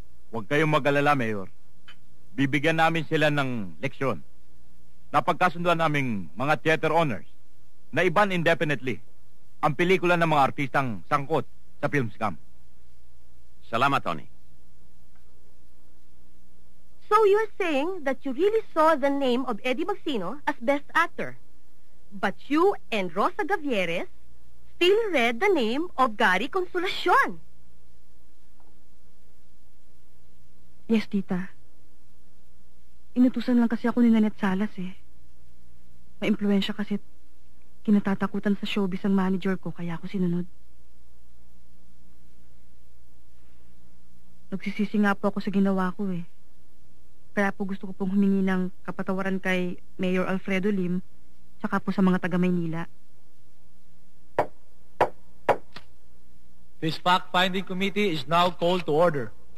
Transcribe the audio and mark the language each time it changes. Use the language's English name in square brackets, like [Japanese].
[Filipino] Huwag kayong mag-alala, Mayor. Bibigyan namin sila ng leksyon. Napagkasunduan naming mga theater owners na iban indefinitely ang pelikula ng mga artistang sangkot sa film scam. Salamat, Tony. [English] So you're saying that you really saw the name of Eddie Magsino as best actor, but you and Rosa Gavieres still read the name of Gary Consolacion? [Filipino] Yes, tita. Inutusan lang kasi ako ni Nanette Salas eh. Maimpluensya kasi kinatatakutan sa showbiz ang manager ko, kaya ako sinunod. Nagsisisi nga po ako sa ginawa ko eh. Kaya po gusto ko pong humingi ng kapatawaran kay Mayor Alfredo Lim, tsaka po sa mga taga-Maynila. [English] This fact-finding committee is now called to order.